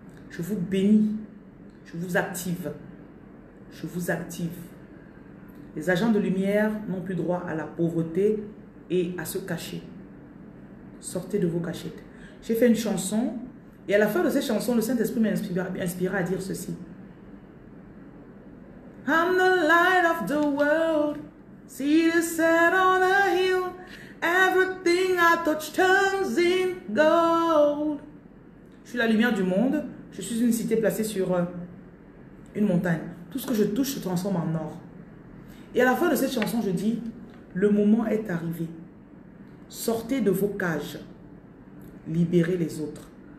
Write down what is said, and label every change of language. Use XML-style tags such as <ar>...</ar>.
<fr>Je vous bénis. Je vous active. Je vous active. Les agents de lumière n'ont plus droit à la pauvreté et à se cacher. Sortez de vos cachettes. J'ai fait une chanson et à la fin de cette chanson, le Saint-Esprit m'inspira à dire ceci.</fr> <en>I'm the light of the world. See the sun on a hill. Everything I touch turns in gold.</en> <fr>Je suis la lumière du monde. Je suis une cité placée sur une montagne. Tout ce que je touche se transforme en or. Et à la fin de cette chanson, je dis, le moment est arrivé. Sortez de vos cages. Libérez les autres.</fr>